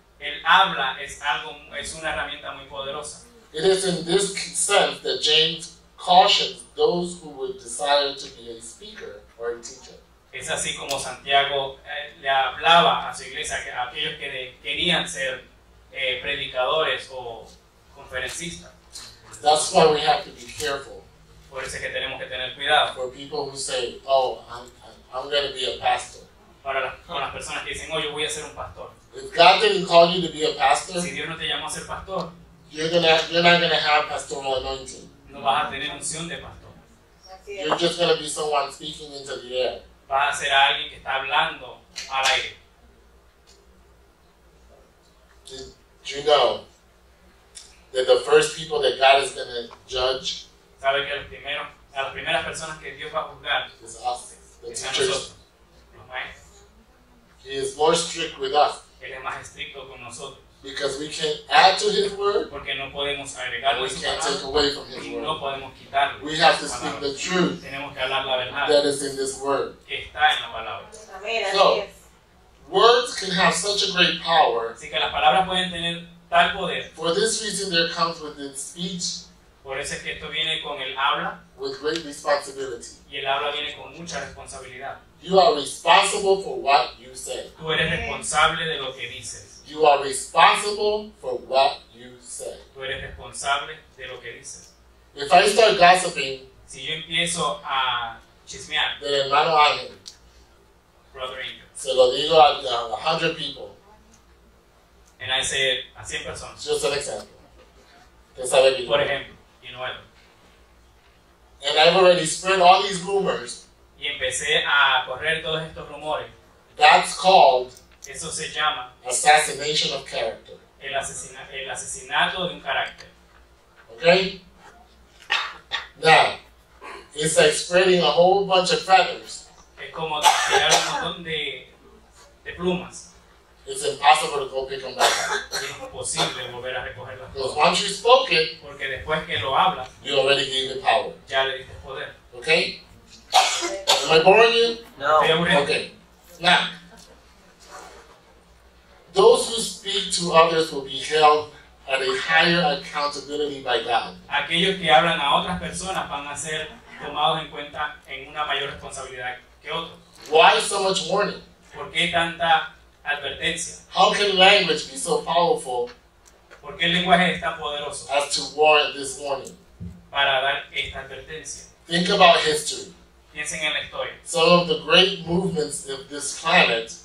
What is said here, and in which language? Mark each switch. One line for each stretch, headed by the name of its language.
Spanish: El habla es algo, es una herramienta muy poderosa.
English: It is in this sense that James cautions those who would desire to be a speaker or a teacher.
Spanish: Es así como Santiago le hablaba a su iglesia, a aquellos que querían ser predicadores o conferencistas.
English: That's why we have to be careful.
Spanish: Por eso es que tenemos que tener cuidado.
English: For people who say, oh, I'm going to be a pastor.
Spanish: Para las personas que dicen, oh, yo voy a ser un pastor.
English: If God didn't call you to be a pastor,
Spanish: si Dios no te llamó a ser pastor,
English: you're not going to have pastoral anointing.
Spanish: No vas a tener unción de pastor.
English: You're just going to be someone speaking into the air.
Spanish: Vas a ser alguien que está hablando al aire.
English: Do you know that the first people that God is going to judge,
Spanish: sabe que a las primeras personas que Dios va a juzgar,
English: is us, the teachers.
Spanish: Nosotros,
English: he is more strict with us.
Spanish: Él es más estricto con nosotros.
English: Because we can add to his word,
Spanish: porque no podemos agregar,
English: we can't take away from his word.
Spanish: No podemos quitarlo.
English: We have to speak the truth.
Spanish: Tenemos que hablar la verdad.
English: That is in this word.
Spanish: Que está en la palabra.
English: So, words can have such a great power.
Spanish: Así que las palabras pueden tener tal poder.
English: For this reason, there comes with its speech.
Spanish: Por eso es que esto viene con el habla.
English: With great responsibility.
Spanish: Y el habla viene con mucha responsabilidad.
English: You are responsible for what you say.
Spanish: Tú eres responsable de lo que dices.
English: You are responsible for what you say.
Spanish: Tú eres responsable de lo que dices.
English: If I start gossiping,
Spanish: si yo empiezo a chismear, del hermano Ángel,
English: brother Angel,
Spanish: Se lo digo a 100
English: people. And I say it a 100
Spanish: personas.
English: Just an example.
Spanish: Que sabe vivir. Por ejemplo, Inuel.
English: And I've already spread all these rumors.
Spanish: Y empecé a correr todos estos rumores.
English: That's called.
Spanish: Eso se llama.
English: Assassination of character.
Spanish: El asesinato de un carácter.
English: Okay? Now, it's like spreading a whole bunch of feathers.
Spanish: Es como tirar un montón de plumas.
English: It's impossible to go pick them back.
Spanish: Es imposible volver a recoger las plumas.
English: Because once you spoke it,
Spanish: porque después que lo hablas,
English: you already gave the power.
Spanish: Ya le diste poder.
English: Okay? Am I boring you?
Spanish: No.
English: Okay. Now, those who speak to others will be held at a higher accountability by God.
Spanish: Aquellos que hablan a otras personas van a ser tomados en cuenta en una mayor responsabilidad que otros.
English: Why so much warning?
Spanish: ¿Por qué tanta advertencia?
English: How can language be so powerful?
Spanish: ¿Por qué el lenguaje es tan poderoso?
English: As to warrant this warning.
Spanish: Para dar esta advertencia.
English: Think about history.
Spanish: Piensen en la historia.
English: Some of the great movements of this planet.